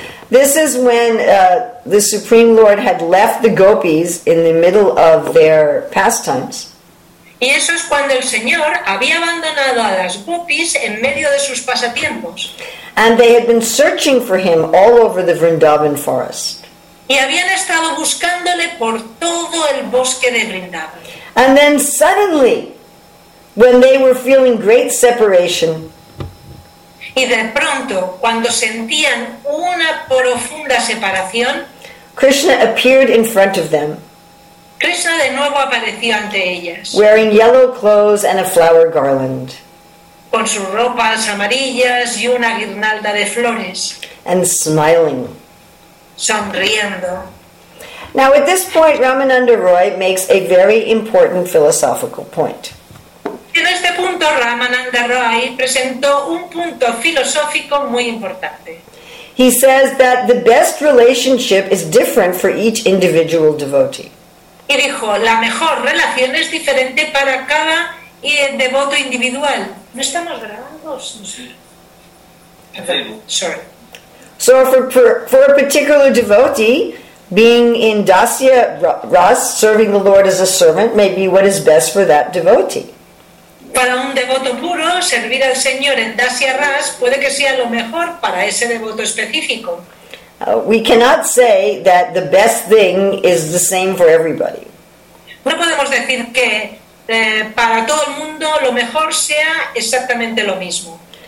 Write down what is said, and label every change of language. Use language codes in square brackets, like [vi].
[en] This is when the Supreme Lord had left the gopis in the middle of their pastimes. [es] Y eso es cuando el Señor había abandonado a las gopis en medio de sus pasatiempos. [en] And they had been searching for him all over the Vrindavan forest. [es] Y habían estado buscándole por todo el bosque de Vrindavan. [en] And then suddenly, when they were feeling great separation, [es] y de pronto, cuando sentían una profunda separación, [en] Krishna appeared in front of them. [es] Krishna de nuevo apareció ante ellas. [en] Wearing yellow clothes and a flower garland. [es] Con sus ropas amarillas y una guirnalda de flores. [en] And smiling. [es] Sonriendo. [en] Now at this point, Ramananda Roy makes a very important philosophical point. [es] En este punto, Ramananda Roy presentó un punto filosófico muy importante. [en] He says that the best relationship is different for each individual devotee. [es] Y dijo, la mejor relación es diferente para cada devoto individual. ¿No estamos grabados? Sí. [en] Sorry. So for a particular devotee, being in Dasya Ras, serving the Lord as a servant, may be what is best for that devotee. [es] Para un devoto puro, servir al Señor en Dasya Ras puede que sea lo mejor para ese devoto específico. [en] We cannot say that the best thing is the same for everybody. [es] No podemos decir que para todo el mundo lo mejor sea exactamente lo mismo.